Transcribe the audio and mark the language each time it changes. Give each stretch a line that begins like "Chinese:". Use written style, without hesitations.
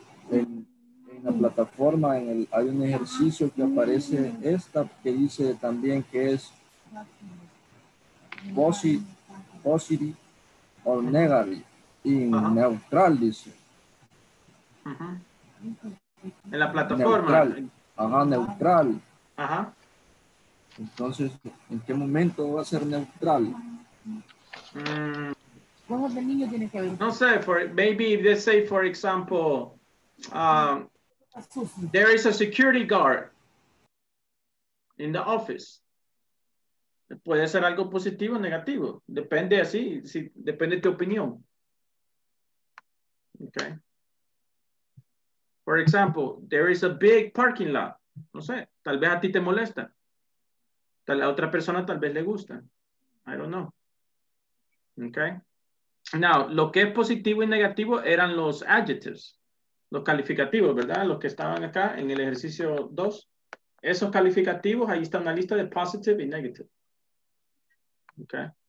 Spanish: En la plataforma hay un ejercicio que aparece esta que dice también que es
English: positive or negative in neutral,
Spanish: dice. En la plataforma. Neutral. Ajá, neutral. Ajá. Entonces, ¿en qué momento va a ser neutral? No sé,
English: maybe if they say, for example, there is a security guard in the office.
Spanish: Puede ser algo positivo o negativo. Depende así, si, depende de tu opinión. Okay.
English: For example, there is a big parking lot.
Spanish: No sé, tal vez a ti te molesta. A la otra persona tal vez le gusta.
English: I don't know.
Spanish: Okay. Now, lo que es positivo y negativo eran los adjectives, los calificativos, ¿verdad? Los que estaban acá en el ejercicio 2. Esos calificativos, ahí está una lista de positive y negative. Okay.